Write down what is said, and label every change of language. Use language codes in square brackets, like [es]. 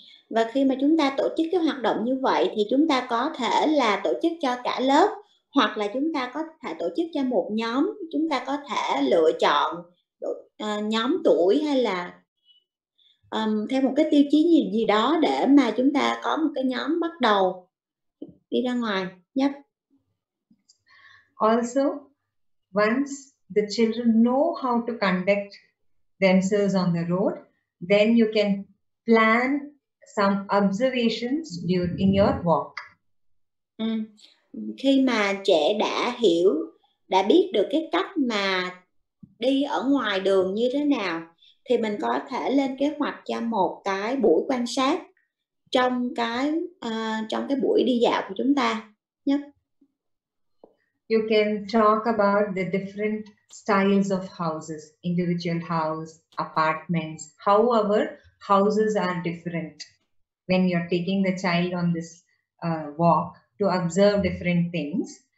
[vi] Và khi mà chúng ta tổ chức cái hoạt động như vậy thì chúng ta có thể là tổ chức cho cả lớp hoặc là chúng ta có thể tổ chức cho một nhóm, chúng ta có thể lựa chọn nhóm tuổi hay là theo một cái tiêu chí gì đó để mà chúng ta có một cái nhóm bắt đầu đi ra ngoài nhé. [en] Also, once the children know how to conduct themselves on the road, then you can plan some observations during your walk. [vi] Khi mà trẻ đã hiểu, đã biết được cái cách mà đi ở ngoài đường như thế nào thì mình có thể lên kế hoạch cho một cái buổi quan sát trong cái buổi đi dạo của chúng ta nhé. [en] You can talk about the different styles of houses, individual house, apartments, however houses are different when you're taking the child on this walk to observe different things.